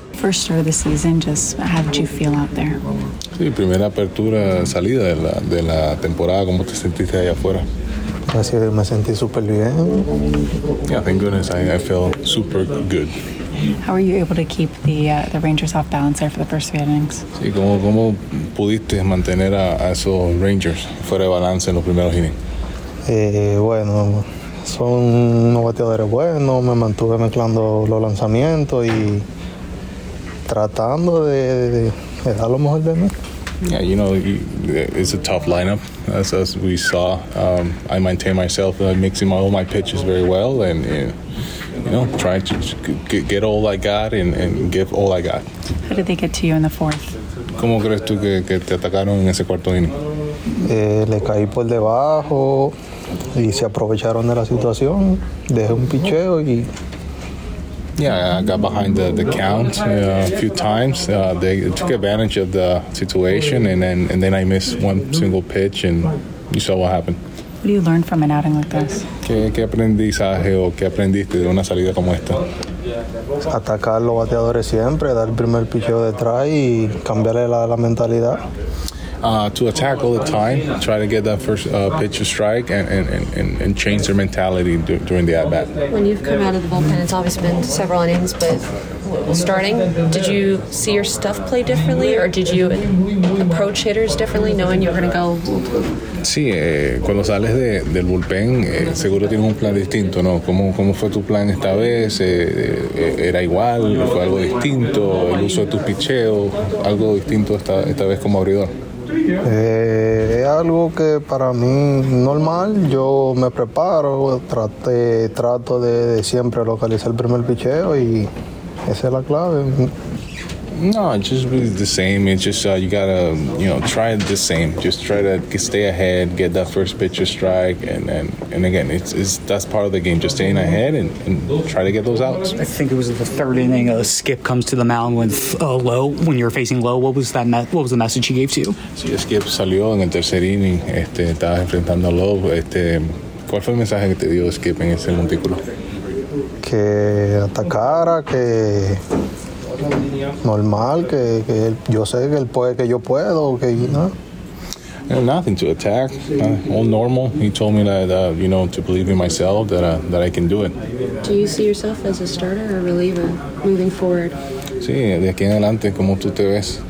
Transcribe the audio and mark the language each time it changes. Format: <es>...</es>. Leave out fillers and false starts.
<en>First start of the season, just how did you feel out there?</en> <es>Sí, primera apertura, salida de la temporada. ¿Cómo te sentiste allá afuera? Gracias, me sentí super bien.</es> <en>Yeah, thank goodness, I feel super good. How were you able to keep the Rangers off balance there for the first three innings?</en> <es>Sí, ¿cómo pudiste mantener a esos Rangers fuera de balance en los primeros innings? Bueno, son unos bateadores buenos, me mantuve mezclando los lanzamientos y tratando de dar lo mejor de mí.</es> <en>Yeah, you know, it's a tough lineup, as we saw. I maintain myself, mixing all my pitches very well, and you know, trying to get all I got and give all I got. How did they get to you in the fourth?</en> <es>¿Cómo crees tú que te atacaron en ese cuarto inning? Le caí por debajo y se aprovecharon de la situación. Dejé un picheo y...</es> <en>Yeah, I got behind the count a few times. They took advantage of the situation, and then I missed one single pitch, and you saw what happened. What do you learn from an outing like this?</en> <es>¿Qué aprendizaje o qué aprendiste de una salida como esta? Atacar los bateadores siempre, dar el primer picheo detrás y cambiarle la mentalidad.</es> <en>To attack all the time, try to get that first pitch to strike and change their mentality during the at-bat. When you've come out of the bullpen, it's obviously been several innings, but starting, did you see your stuff play differently, or did you approach hitters differently knowing you were going to go...</en> <es>Sí, cuando sales del bullpen, seguro tienes un plan distinto, ¿no? ¿Cómo fue tu plan esta vez? ¿Era igual? ¿Fue algo distinto? ¿El uso de tus picheos? ¿Algo distinto esta vez como abridor? Es algo que para mí normal, yo me preparo, trato de siempre localizar el primer picheo y esa es la clave.</es> <en>No, just be the same. It's just you gotta, try the same. Just try to stay ahead, get that first pitch or strike, and again, it's that's part of the game. Just staying ahead and try to get those outs. I think it was the third inning. A Skip comes to the mound when you're facing low. What was that? What was the message he gave to you?</en> <es>Sí, Skip salió en el tercer inning. Estaba enfrentando low. ¿Cuál fue el mensaje que te dio Skip en ese montículo? Que atacara, que normal, que yo sé que él puede, que yo puedo, que no.</es> <en>Yeah, nothing to attack, all normal. He told me that to believe in myself, that I can do it. Do you see yourself as a starter or a reliever moving forward?</en> <es>Sí, de aquí en adelante, ¿cómo tú te ves?</es>